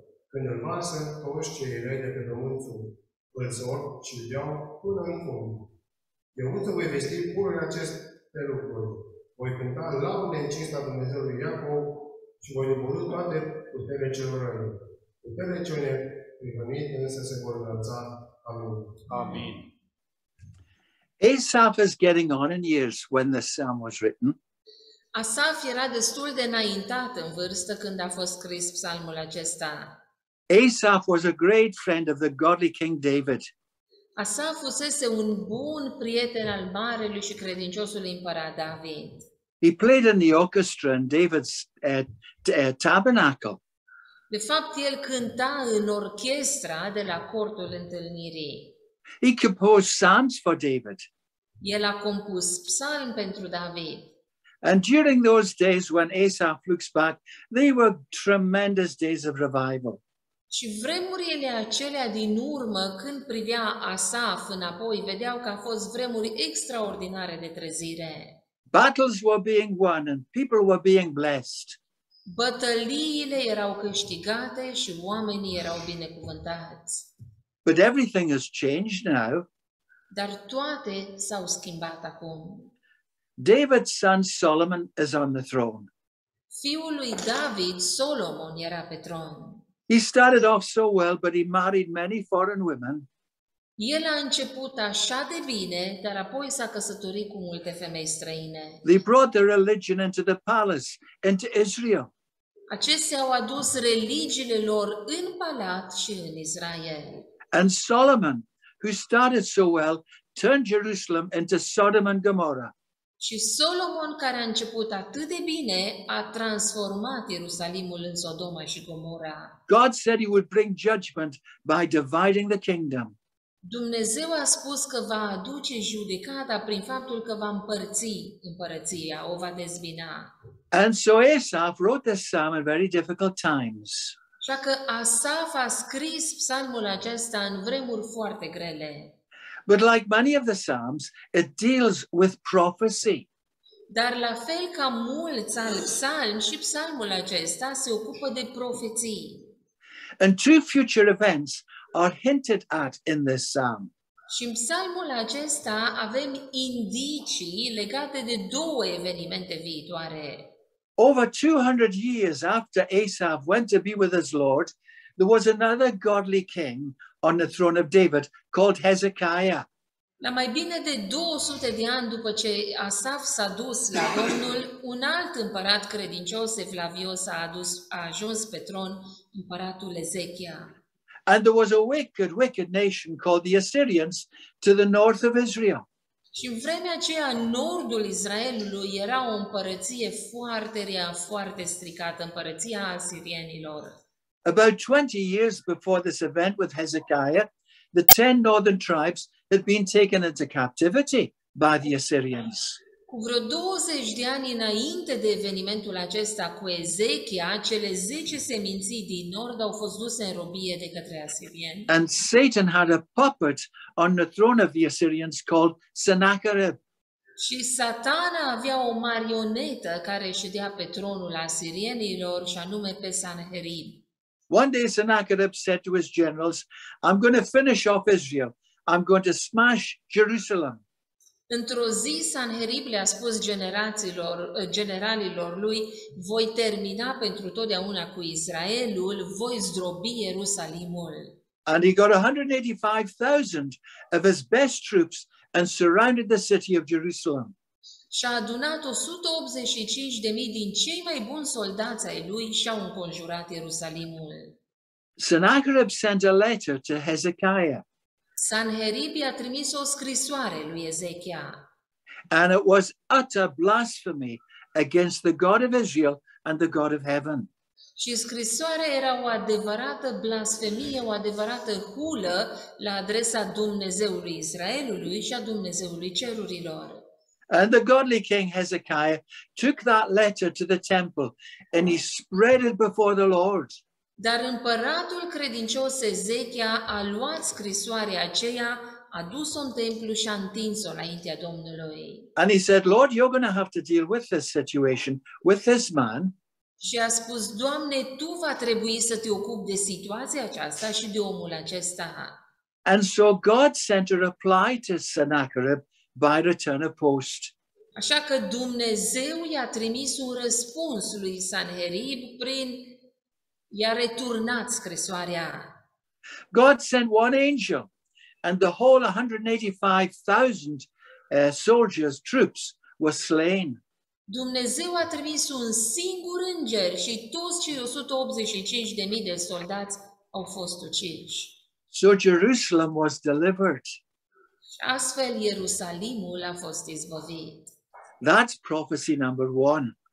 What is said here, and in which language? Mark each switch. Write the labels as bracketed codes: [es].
[ro] Când îl vasă, toți cei răi de pe pământul îl zor și îl iau până în fund. Eu însă voi vesti pur în aceste lucruri. Voi cânta laude în cinsta Dumnezeului Iacov și voi dobori toate puterile celor răi. Puterile celor neprihănite însă se vor înălța. Amin. Amin. [en] Asaf is getting on in years when this psalm was written. [ro] Asaf era destul de înaintat în vârstă când a fost scris psalmul acesta. [en] Asaf was a great friend of the godly King David. [ro] Asaf fusese un bun prieten al marelui și credinciosului împărat David. [en] He played in the orchestra in David's tabernacle. [ro] De fapt, el cânta în orchestra de la cortul întâlnirii. [en] He composed psalms for David. [ro] El a compus psalmi pentru David. [en] And during those days when Asaf looks back, they were tremendous days of revival. [ro] Și vremurile acelea din urmă, când privea Asaf înapoi, vedeau că a fost vremuri extraordinare de trezire. [en] Battles were being won and people were being blessed. [ro] Bătăliile erau câștigate și oamenii erau binecuvântați. [en] But everything has changed now. [ro] Dar toate s-au schimbat acum. [en] David's son Solomon is on the throne. [ro] Fiul lui David, Solomon, era pe tron. [en] He started off so well, but he married many foreign women. [ro] El a început așa de bine, dar apoi s-a căsătorit cu multe femei străine. [en] They brought the religion into the palace, into Israel. [ro] Acestea au adus religiile lor în palat și în Israel. [en] And Solomon, who started so well, turned Jerusalem into Sodom and Gomorrah. [ro] Și Solomon, care a început atât de bine, a transformat Ierusalimul în Sodoma și Gomora. [en] God said he would bring judgment by dividing the kingdom. [ro] Dumnezeu a spus că va aduce judecata prin faptul că va împărți împărăția, o va dezbina. [en] And so Asaf wrote this psalm in very difficult times. [ro] Așa că Asaf a scris psalmul acesta în vremuri foarte grele. [en] But like many of the psalms, it deals with prophecy. [ro] Dar la fel ca mulți alți psalmi, și psalmul acesta se ocupă de profeții. [en] And two future events are hinted at in this psalm. [ro] Și în psalmul acesta avem indicii legate de două evenimente viitoare. [en] Over 200 years after Asaph went to be with his Lord, there was another godly king on the throne of David called Hezekiah. [ro] La mai bine de 200 de ani după ce Asaf s-a dus la Domnul, un alt împărat credincios, Evlavios, a ajuns pe tron, împăratul Ezechia. [en] And there was a wicked, wicked nation called the Assyrians to the north of Israel. [ro] Și în vremea aceea, în nordul Israelului, era o împărăție foarte rea, foarte stricată, împărăția asirienilor. [en] About 20 years before this event with Hezekiah, the 10 northern tribes had been taken into captivity by the Assyrians. [ro] Cu vreo 20 de ani înainte de evenimentul acesta cu Ezechia, cele 10 seminții din nord au fost duse în robie de către asirieni. [en] And Satan had a puppet on the throne of the Assyrians called Sennacherib. [ro] Și Satana avea o marionetă care ședea pe tronul asirienilor, și anume pe Sanherib. [en] One day Sennacherib said to his generals, "I'm going to finish off Israel. I'm going to smash Jerusalem." [ro] Într-o zi Sanherib le-a spus generalilor lui, "Voi termina pentru totdeauna cu Israelul, voi zdrobi Ierusalimul." [en] And he got 185,000 of his best troops and surrounded the city of Jerusalem. [ro] Și-a adunat 185,000 din cei mai buni soldați ai lui și au înconjurat Ierusalimul. [en] Sennacherib sent a letter to Hezekiah. [ro] Sanherib i-a trimis o scrisoare lui Ezechia. [en] And it was utter blasphemy against the God of Israel and the God of heaven. [ro] Și scrisoarea era o adevărată blasfemie, o adevărată hulă la adresa Dumnezeului Israelului și a Dumnezeului cerurilor. [en] And the godly king Hezekiah took that letter to the temple and he spread it before the Lord. [ro] Dar împăratul credincios Ezechia a luat scrisoarea aceea, a dus-o în templu și a întins-o înaintea Domnului. [en] And he said, "Lord, you're going to have to deal with this situation, with this man." [ro] Și a spus, "Doamne, tu va trebui să te ocupi de situația aceasta și de omul acesta." [en] And so God sent a reply to Sennacherib by return of post. [ro] Așa că Dumnezeu i-a trimis un răspuns lui Sanherib prin i-a returnat scrisoarea. [en] God sent one angel and the whole 185,000 soldiers troops were slain. [ro] Dumnezeu a trimis un singur înger și toți cei 185,000 de soldați au fost uciși. [en] So Jerusalem was delivered. [ro] Astfel, Ierusalimul a fost izbăvit. [en] That's prophecy number one.